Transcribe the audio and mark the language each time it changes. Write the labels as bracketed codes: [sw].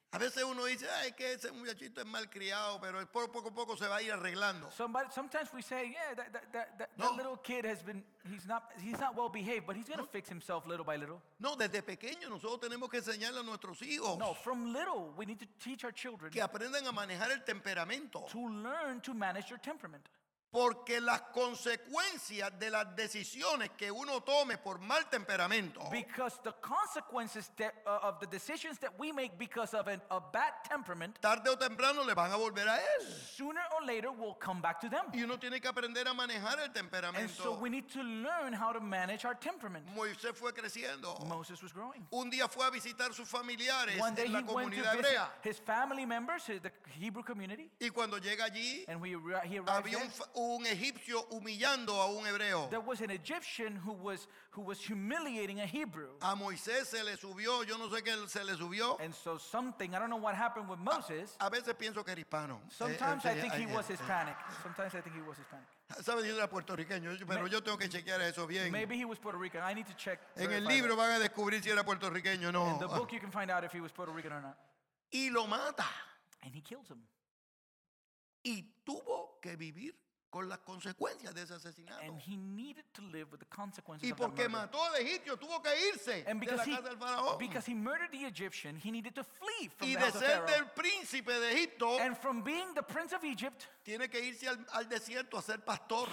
[es] A veces uno dice, ay, que ese muchachito es malcriado, pero poco a poco se va a ir arreglando. [en] Sometimes we say, yeah, that little kid has been, he's not well behaved, but he's going to fix himself little by little. [es] No, desde pequeño nosotros tenemos que enseñarle a nuestros hijos. [en] No, from little we need to teach our children [es] que aprendan a manejar el temperamento. [en] To learn to manage your temperament. [es] Porque las consecuencias de las decisiones que uno tome por mal temperamento, [en] because the consequences of the decisions that we make because of a bad temperament, [es] tarde o temprano le van a volver a él. [en] Sooner or later will come back to them. [es] Y uno tiene que aprender a manejar el temperamento. [en] And so we need to learn how to manage our temperament. [es] Moisés fue creciendo. [en] Moses was growing. [es] Un día fue a visitar sus familiares en la comunidad hebrea. [en] His family members, the Hebrew community. [es] Y cuando llega allí, [en] and he arrived there, [es] un egipcio humillando a un hebreo. [en] There was an Egyptian who was humiliating a Hebrew. [es] A Moisés se le subió, yo no sé qué se le subió. [en] And so something, I don't know what happened with Moses. [es] A veces pienso que era hispano. [en] Sometimes I think he was Hispanic. Sometimes I think he was Hispanic. [es] Sabes, yo era puertorriqueño, pero yo tengo que chequear eso bien. [en] Maybe he was Puerto Rican. I need to check. [es] En el libro van a descubrir si era puertorriqueño o no. [en] In the book you can find out if he was Puerto Rican or not. [es] Y lo mata. [en] And he kills him. [es] y tuvo que vivir con las consecuencias de ese asesinato. [en] And he needed to live with the consequences [es] y porque mató al egipcio, tuvo que irse de la casa del faraón. [en] Because he murdered the Egyptian, he needed to flee from [es] y [en] the house of Pharaoh. [es] Y de ser príncipe de Egipto, [en] and from being the prince of Egypt, [es] tiene que irse al desierto a ser pastor.